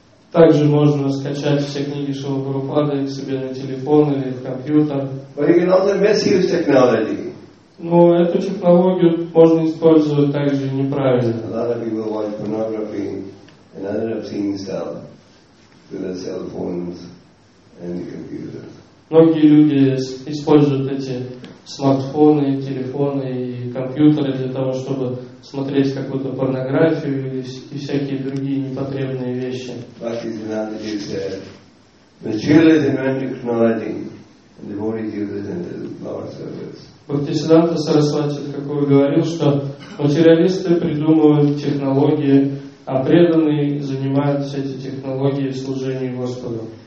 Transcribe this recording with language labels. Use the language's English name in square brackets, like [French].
[Russian] Также можно скачать все книги Шрилы Прабхупады к себе на телефон или в компьютер. [English] But you can also misuse technology. [Russian] Но эту технологию можно использовать также неправильно. [English] A lot of people watch pornography and other obscene stuff through their cell phones and the computer. [Russian] Многие люди используют эти смартфоны, телефоны и компьютеры для того, чтобы смотреть какую-то порнографию и всякие другие непотребные вещи. Бхактисиддханта Сарасвати такой говорил, что материалисты придумывают технологии, а преданные занимаются эти технологии в служении Господу.